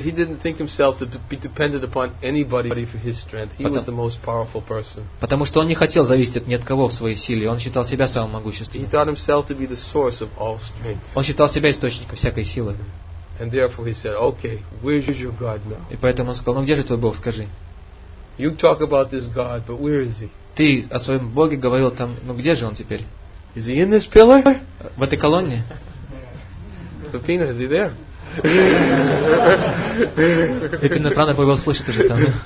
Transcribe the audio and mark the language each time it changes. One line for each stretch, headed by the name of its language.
English: He didn't think himself to be dependent upon anybody for his strength. He was the most powerful person.
Russian: Потому что он не хотел зависеть от ни от кого в своей силе. Он считал себя самым могущественным.
English: He thought himself to be the source of all strength.
Russian: Он считал себя источником всякой силы.
English: And therefore he said, "Okay, where is your God now?"
Russian: И поэтому он сказал, ну где же твой Бог, скажи.
English: You talk about this God, but where is he?
Russian: Ты о своем Боге говорил там, ну где же он теперь?
English: Is he in this pillar?
Russian: В этой колонне?
English: Pepino, is he there?
Russian: Pepino, правда, твой голос слышит уже там.